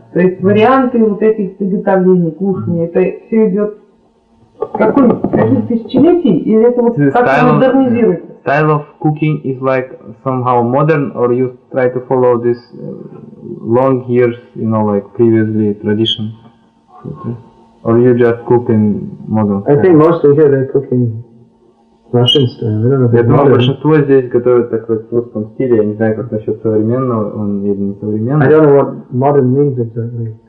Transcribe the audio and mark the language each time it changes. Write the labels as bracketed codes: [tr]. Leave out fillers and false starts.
[ru] То есть варианты вот этих приготовлений, кушаний, это все идет какой, каких тысячелетий, или это вот как-то модернизируется? [en] Style of cooking is like somehow modern, or you try to follow this long years, you know, like previously tradition? Or you just cook in modern style? I think mostly here they cook in Russian style. [ru] Я думаю, большинство здесь готовят так вот в русском стиле. Я не знаю, как насчет современного, он или не современный. [en] I don't know what modern means exactly.